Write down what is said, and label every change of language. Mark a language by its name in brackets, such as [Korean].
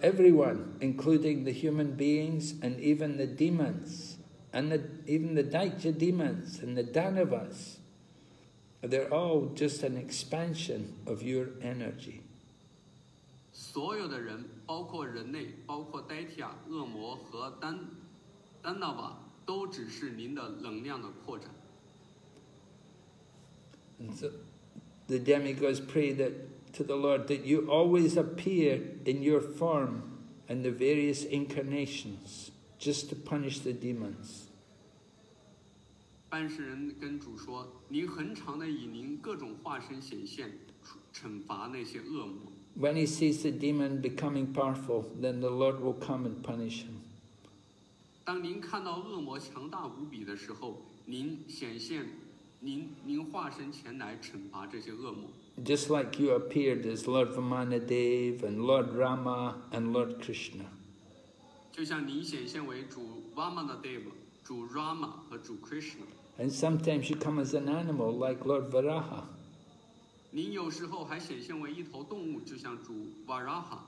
[English] everyone, including the human beings and even the demons, and even the Daitya demons and the Danavas,They're all just an expansion of your energy. [Chinese] 所有的人，包括人类，包括呆提亚、恶魔和丹纳瓦，都只是您的能量的扩展。 [English] And so, the demigods pray that to the Lord that you always appear in your form and the various incarnations, just to punish the demons. [Chinese] 办事人跟主说：“您恒常的以您各种化身显现，惩罚那些恶魔。” [English] When he sees the demon becoming powerful, then the Lord will come and punish him. [Chinese] 当您看到恶魔强大无比的时候，您显现，您化身前来惩罚这些恶魔。 [English] Just like you appeared as Lord Vamanadeva and Lord Rama and Lord Krishna. [Chinese] 就像您显现为主 Vamanadeva。主 Rama 和主 Krishna, [English] and sometimes you come as an animal like Lord Varaha. [Chinese] 您有时候还显现为一头动物，就像主 Varaha.